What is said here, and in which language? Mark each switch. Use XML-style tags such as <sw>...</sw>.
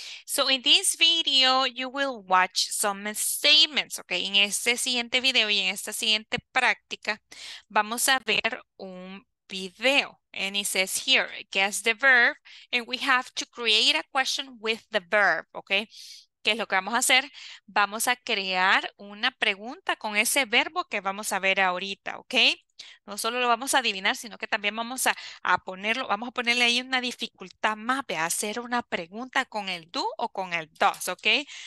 <en>So in this video, you will watch some statements. Okay.</en> <es>En este siguiente video y en esta siguiente práctica, vamos a ver un video.</es> <en>And it says here, guess the verb. And we have to create a question with the verb.</en> <es>Okay. ¿Qué es lo que vamos a hacer? Vamos a crear una pregunta con ese verbo que vamos a ver ahorita, ¿ok? No solo lo vamos a adivinar, sino que también vamos a ponerlo, vamos a ponerle ahí una dificultad más, ¿ve? Hacer una pregunta con el do o con el does, ¿ok?</es>